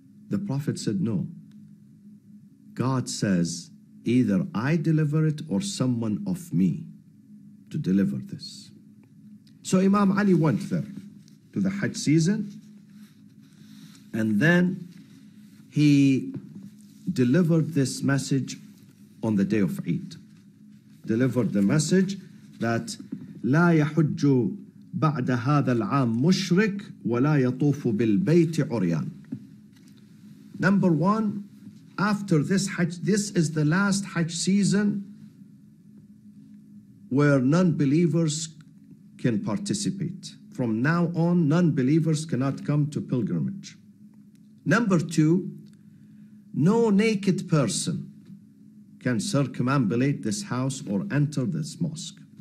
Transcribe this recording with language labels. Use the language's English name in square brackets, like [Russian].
[English] The Prophet said, no. God says, either I deliver it or someone of me to deliver this. So Imam Ali went there to the Hajj season, and then he delivered this message on the day of Eid. Delivered the message that [Arabic] لا يحج بعد هذا العام مشرك ولا يطوف بالبيت عريان. [English] Number one, after this Hajj, this is the last Hajj season where non-believers can participate. From now on, non-believers cannot come to pilgrimage. Number two, no naked person can circumambulate this house or enter this mosque.